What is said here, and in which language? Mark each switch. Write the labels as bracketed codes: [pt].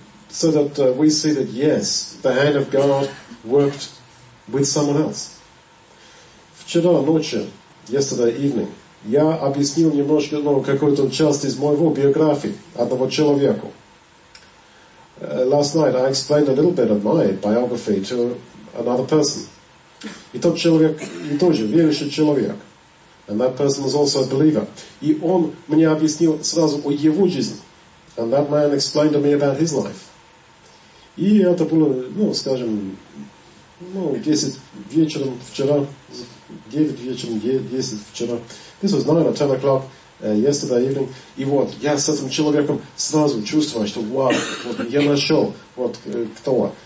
[en] So that we see that yes, the hand of God worked with someone else. [ru] Вчера ночью, [en] yesterday evening, [ru] я объяснил немножко, ну, какую-то часть из моего биографии одного человека. [en] Last night I explained a little bit of my biography to another person. [ru] И тот человек, и тоже верующий человек. [en] And that person was also a believer. [ru] И он мне объяснил сразу о его жизни. [en] And that man explained to me about his life. [ru] И это было, ну, скажем, ну, 10 вечером вчера, 9 вечером, 10 вчера. [en] This was 9 or 10 o'clock yesterday evening. [ru] И вот, я с этим человеком сразу чувствую, что вау, вот я нашел, вот кто.